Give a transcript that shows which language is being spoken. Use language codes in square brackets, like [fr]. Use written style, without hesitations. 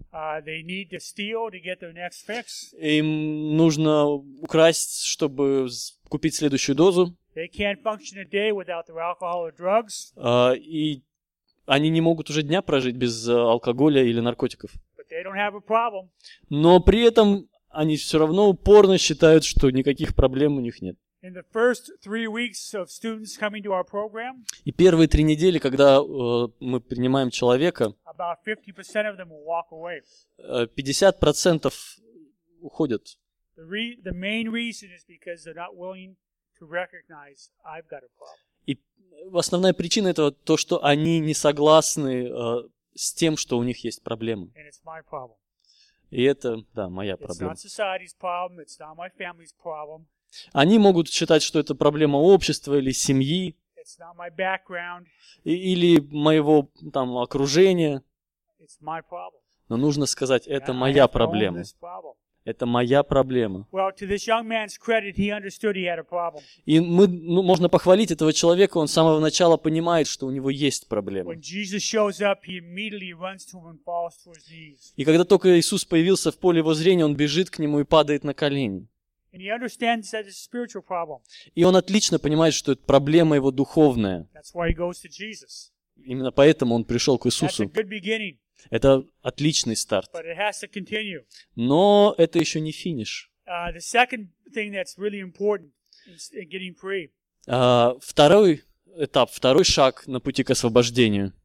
[en] They need to steal to get their next fix. [ru] Им нужно украсть, чтобы купить следующую дозу. [en] They can't function a day without their alcohol or drugs. [ru] И они не могут уже дня прожить без алкоголя или наркотиков. [en] They don't have a problem. [ru] Но при этом они все равно упорно считают, что никаких проблем у них нет. [en] In the first three weeks of students coming to our program, [ru] и первые три недели, когда мы принимаем человека, [en] about 50% of them will walk away. [ru] 50% уходят. [en] The main reason is because they're not willing to recognize I've got a problem. [ru] И основная причина этого то, что они не согласны с тем, что у них есть проблемы. [en] And it's my problem. [ru] И это, да, моя проблема. [en] It's not society's problem, it's not my family's problem. [ru] Они могут считать, что это проблема общества или семьи. [en] It's not my background. [ru] Или моего там окружения. [en] It's my problem. [ru] Но нужно сказать, это [en] And [ru] моя проблема. [en] I have grown this problem. [ru] Это моя проблема. [en] Well, to this young man's credit, he understood he had a problem. [ru] И мы, ну, можно похвалить этого человека, он с самого начала понимает, что у него есть проблема. [en] When Jesus shows up, he immediately runs to him and falls to his knees. [ru] И когда только Иисус появился в поле его зрения, он бежит к нему и падает на колени. [en] And he understands that it's a spiritual problem. [ru] И он отлично понимает, что это проблема его духовная. [en] That's why he goes to Jesus. [ru] Именно поэтому он пришел к Иисусу. [en] That's a good beginning. [ru] Это отличный старт. [en] But it has to continue. [ru] Но это еще не финиш. [en] The second thing that's really important is getting free. [ru] Второй этап, второй шаг на пути к освобождению.